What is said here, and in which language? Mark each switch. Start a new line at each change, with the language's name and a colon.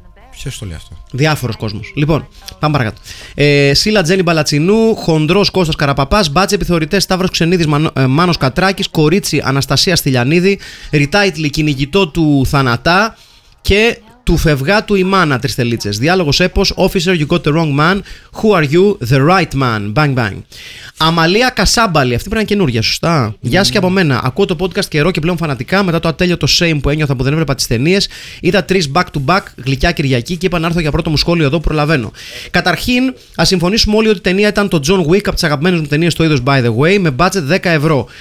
Greek: Ποιος το λέει αυτό? Διάφορος κόσμος. Λοιπόν, πάμε παρακάτω. Σίλα Τζένι Μπαλατσινού, Χοντρός Κώστας Καραπαπάς, Μπάτσι Επιθεωρητές, Σταύρος Ξενίδης, Μάνος Κατράκης, Κορίτσι Αναστασία Στυλιανίδη, Ριτάιτλι Κυνηγητό του Θανατά και του Φευγά του η Μάνα, τρεις τελίτσες.
English: Διάλογος έπος, Officer You Got the Wrong Man, Who Are You, The Right Man. Bang bang.
Greek: Αμαλία Κασάμπαλη, αυτή πρέπει να είναι καινούργια, σωστά. Γεια σου και από μένα. Ακούω το podcast καιρό και πλέον φανατικά. Μετά το ατέλειωτο shame που ένιωθα που δεν έβλεπα τις ταινίες, είδα τρεις back to back, γλυκιά Κυριακή και είπα να έρθω για πρώτο μου σχόλιο εδώ που προλαβαίνω. Καταρχήν, ας συμφωνήσουμε όλοι ότι η ταινία ήταν το John Wick από τις αγαπημένες μου ταινίες του είδους, by the way, με budget 10 ευρώ.